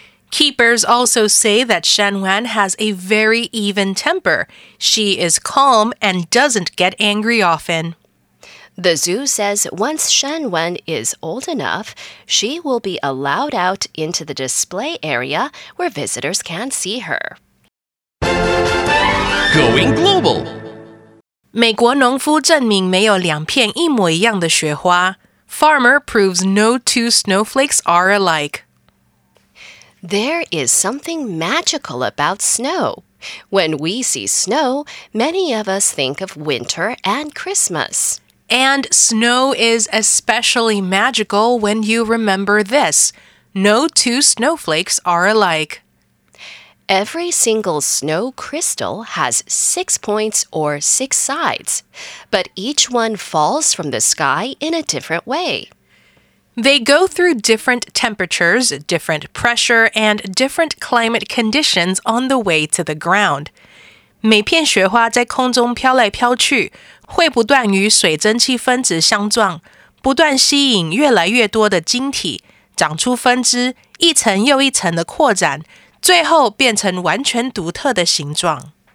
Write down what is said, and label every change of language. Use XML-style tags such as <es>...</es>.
<en>Keepers also say that Shan Wan has a very even temper. She is calm and doesn't get angry often. The zoo says once Shan Wan is old enough, she will be allowed out into the display area where visitors can see her. Going global.</en> <zh>美国农夫证明没有两片一模一样的雪花。</zh> <en>Farmer proves no two snowflakes are alike. There is something magical about snow. When we see snow, many of us think of winter and Christmas. And snow is especially magical when you remember this. No two snowflakes are alike. Every single snow crystal has 6 points or 6 sides, but each one falls from the sky in a different way. They go through different temperatures, different pressure, and different climate conditions on the way to the ground.</en> <zh>每片雪花在空中飘来飘去，会不断与水蒸气分子相撞，不断吸引越来越多的晶体，长出分支，一层又一层的扩展，最后变成完全独特的形状。</zh>